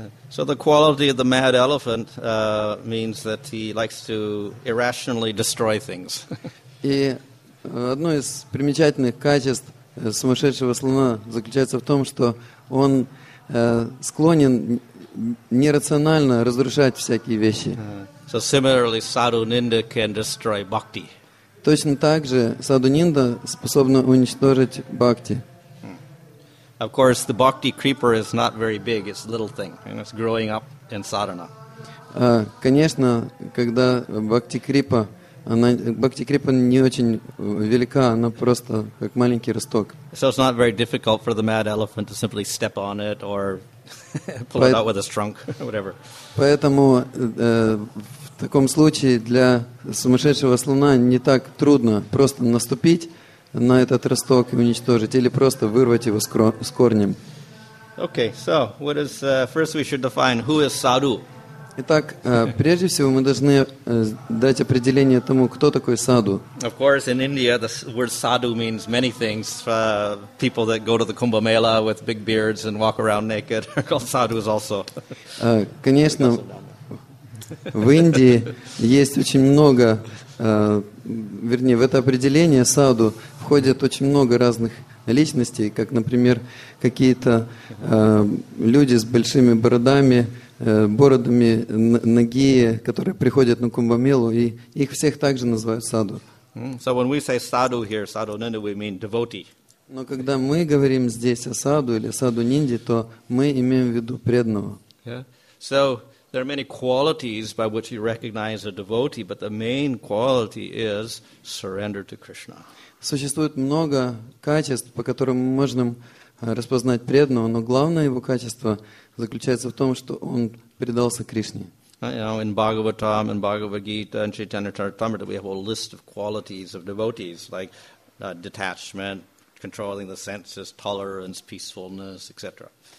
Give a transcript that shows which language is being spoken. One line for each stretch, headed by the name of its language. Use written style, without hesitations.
English: So the quality of the mad elephant means that he likes to irrationally destroy things.
Russian: И одно из примечательных качеств сумасшедшего слона заключается в том, что он склонен нерационально разрушать всякие вещи.
English: So similarly, sadhu ninda can destroy bhakti.
Russian: Точно так же sadhu ninda способна уничтожить бхакти.
English: Of course, the bhakti creeper is not very big. It's a little thing, and it's growing up in sadhana.
Russian: Конечно, когда бхакти крипа не очень велика, она просто как маленький росток.
English: So it's not very difficult for the mad elephant to simply step on it or pull it out with a trunk, whatever.
Russian: Поэтому в таком случае для сумасшедшего слона не так трудно просто наступить на этот росток и уничтожить, или просто вырвать его с корнем.
English: Okay, so what is first we should define who is sadhu?
Russian: Итак, прежде всего мы должны дать определение тому, кто такой sadhu.
English: Of course, in India the word sadhu means many things. People that go to the Kumbh Mela with big beards and walk around naked are called sadhus also.
Russian: Конечно, в Индии есть очень много, вернее, в это определение sadhu входит очень много разных личностей, как, например, какие-то люди с большими бородами, бородами ноги, которые приходят на Кумбамелу, и их всех также называют саду.
English: So when we say sadhu here, sadhu ninda, we mean devotee.
Russian: Но когда мы говорим здесь о саду или саду нинди, то мы имеем в виду преданного.
English: Yeah. So there are many qualities by which you recognize a devotee, but the main quality is surrender to Krishna.
Russian: Существует много качеств, по которым мы можем распознать преданного, но главное его качество заключается в том, что он предался Кришне.
English: In Bhagavatam, in Bhagavad Gita, in Chaitanya Charitamrita, we have a list of qualities of devotees, like detachment, controlling the senses, tolerance, peacefulness, etc.